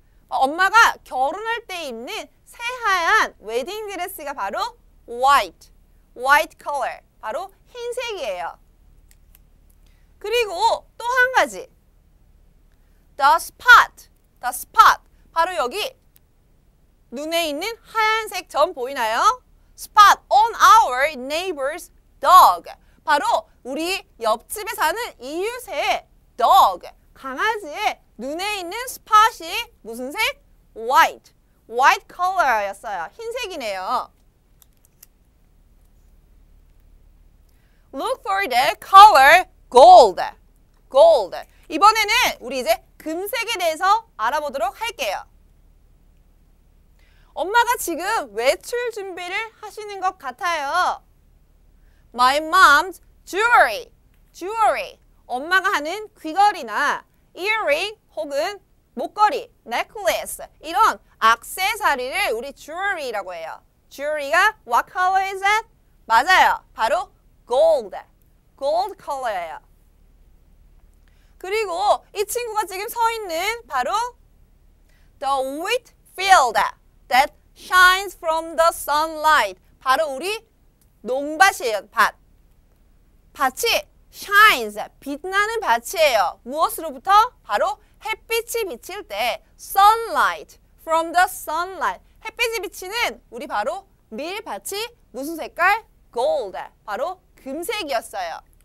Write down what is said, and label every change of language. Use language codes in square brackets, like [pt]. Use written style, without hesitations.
[ko] 엄마가 결혼할 때 입는 새하얀 웨딩 드레스가 바로 white. [en] White color. [ko] 바로 흰색이에요. 그리고 또 한 가지. [en] The spot. The spot. [ko] 바로 여기 눈에 있는 하얀색 점 보이나요? [en] Spot on our neighbor's dog. [ko] 바로 우리 옆집에 사는 이웃의 dog. 강아지의 눈에 있는 spot이 무슨 색? [en] White. White color [ko] 였어요. 흰색이네요. [en] Look for the color gold. Gold. [ko] 이번에는 우리 이제 금색에 대해서 알아보도록 할게요. 엄마가 지금 외출 준비를 하시는 것 같아요. [en] My mom's jewelry. Jewelry. [ko] 엄마가 하는 귀걸이나 earring 혹은 목걸이, necklace. 이런 액세서리를 우리 jewelry라고 해요. Jewelry가 [en] what color is that? [ko] 맞아요. 바로 gold. [en] Gold color예요. [ko] 그리고 이 친구가 지금 서 있는 바로 [en] the wheat field that shines from the sunlight. [ko] 바로 우리 농밭이에요. 밭. 밭이 shines, 빛나는 밭이에요. 무엇으로부터? 바로 햇빛이 비칠 때 sunlight, [en] from the sunlight. [ko] 햇빛이 비치는 우리 바로 밀밭이 무슨 색깔? gold. 바로 금색이었어요.